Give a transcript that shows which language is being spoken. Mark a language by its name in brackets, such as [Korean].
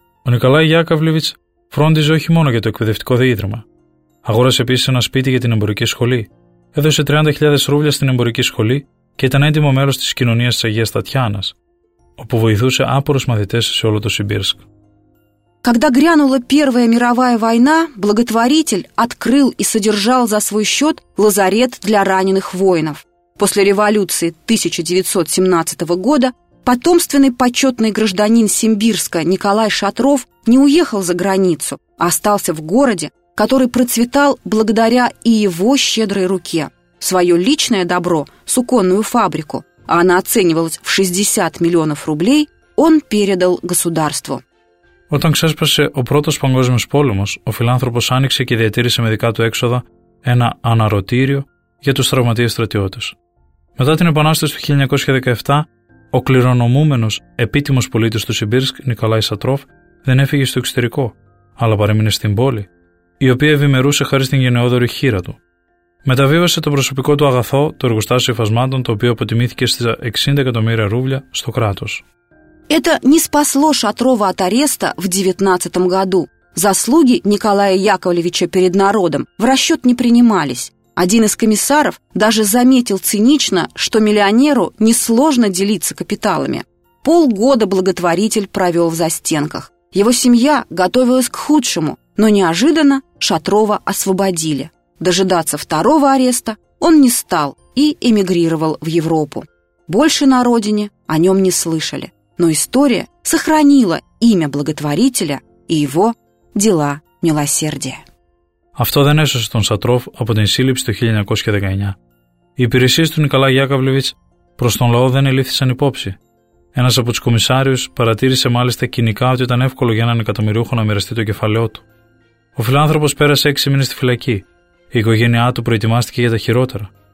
[Greek] Ο Νικολάη Γιάκοβλεβιτς φρόντιζε όχι μόνο για το εκπαιδευτικό δίδυμα. Αγόρασε επίσης ένα σπίτι για την εμπορική σχολή, έδωσε 30.000 ρούβλια στην εμπορική σχολή και ήταν έντιμο μέλος της Κοινωνίας της Αγίας Τατιάνας, όπου βοηθούσε άπορους μαθητές σε όλο το Σιμπίρσκ. [Russian] Когда грянула Первая мировая война, благотворитель открыл и содержал за свой счет лазарет для раненых воинов. После революции 1917 года потомственный почетный гражданин Симбирска Николай Шатров не уехал за границу, а остался в городе, который процветал благодаря и его щедрой руке. Свое личное добро, суконную фабрику, а она оценивалась в 60 миллионов рублей, он передал государству. [Greek] Όταν ξέσπασε ο πρώτος Παγκόσμιος Πόλεμος, ο φιλάνθρωπος άνοιξε και διατήρησε με δικά του έξοδα ένα αναρωτήριο για τους τραυματίες στρατιώτες. Μετά την Επανάσταση του 1917, ο κληρονομούμενος επίτιμος πολίτης του Σιμπίρσκ, Νικολάη Σατρόφ, δεν έφυγε στο εξωτερικό, αλλά παρέμεινε στην πόλη, η οποία ευημερούσε χάρη στην γενναιόδορη χείρα του. Μεταβίβασε το προσωπικό του αγαθό, το εργοστάσιο υφασμάτων, το οποίο αποτιμήθηκε στα 60 εκατομμύρια ρούβλια, στο κράτος. [Russian] Это не спасло Шатрова от ареста в 19 году. Заслуги Николая Яковлевича перед народом в расчет не принимались. Один из комиссаров даже заметил цинично, что миллионеру несложно делиться капиталами. Полгода благотворитель провел в застенках. Его семья готовилась к худшему, но неожиданно Шатрова освободили. Дожидаться второго ареста он не стал и эмигрировал в Европу. Больше на родине о нем не слышали. Но история сохранила имя благотворителя и его дела милосердия. [Greek] Αυτό δεν έσωσε τον Σατρόφ από την σύλληψη το 1919. Οι υπηρεσίες του Νικολά Γιάκοβλεβιτς προς τον λαό δεν ελήφθησαν υπόψη. Ένας από τους κομισάριους παρατήρησε μάλιστα κοινικά ότι ήταν εύκολο για έναν εκατομμυριούχο να μοιραστεί το κεφαλαιό του. Ο φιλάνθρωπος πέρασε 6 μήνες στη φυλακή. Η οικογένειά του προετοιμάστηκε για τα χειρότερα.